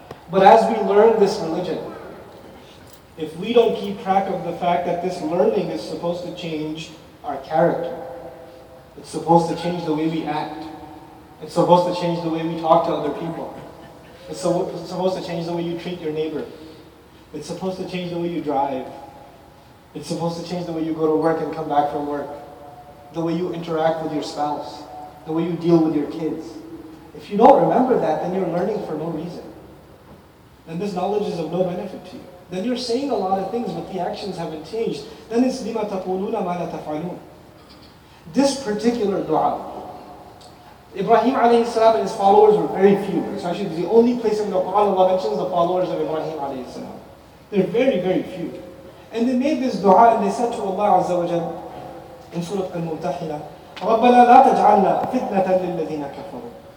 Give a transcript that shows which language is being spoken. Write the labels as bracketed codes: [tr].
[en] But as we learn this religion, if we don't keep track of the fact that this learning is supposed to change our character, it's supposed to change the way we act, it's supposed to change the way we talk to other people, it's supposed to change the way you treat your neighbor, it's supposed to change the way you drive, it's supposed to change the way you go to work and come back from work, the way you interact with your spouse, the way you deal with your kids. If you don't remember that, then you're learning for no reason. Then this knowledge is of no benefit to you. Then you're saying a lot of things, but the actions haven't changed. [ar] Then it's لِمَا تَقُولُونَ مَا لَا تَفْعَلُونَ. [en] This particular dua, Ibrahim alayhi salam and his followers were very few. It's actually the only place in the Quran Allah mentions the followers of Ibrahim alayhi salam. They're very, very few. And they made this dua and they said to Allah Azza wa Jal in Surah Al-Mumtahina, [ar] رَبَّنَا لَا تَجْعَلْنَا فِتْنَةً لِلَّذِينَ كَفَرُوا.